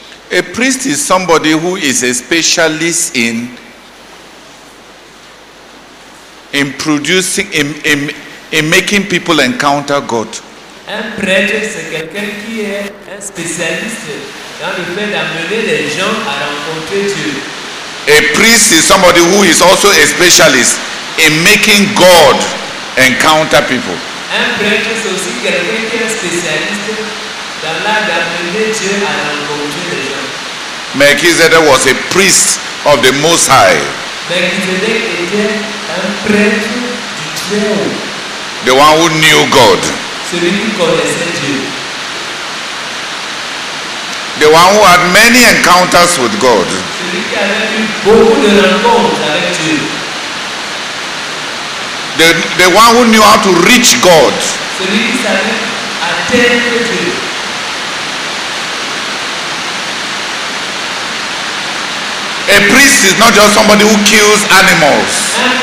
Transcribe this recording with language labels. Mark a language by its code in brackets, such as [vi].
[en] A priest is somebody who is a specialist in producing, in making people encounter God. [fr] Un prêtre, c'est quelqu'un qui est un spécialiste dans le fait d'amener les gens à rencontrer Dieu. [en] A priest is somebody who is also a specialist in making God encounter people. [fr] Un prêtre, c'est aussi quelqu'un qui est spécialiste dans l'art d'amener Dieu à rencontrer Dieu. [en] Melchizedek was a priest of the Most High. [fr] Melchizedek était un prêtre du Dieu. [en] The one who knew God. [fr] Celui qui connaissait Dieu. [en] The one who had many encounters with God. [fr] Celui qui avait eu beaucoup de rencontres avec Dieu. [en] The one who knew how to reach God. [fr] Celui qui savait atteindre Dieu. [en] A priest is not just somebody who kills animals.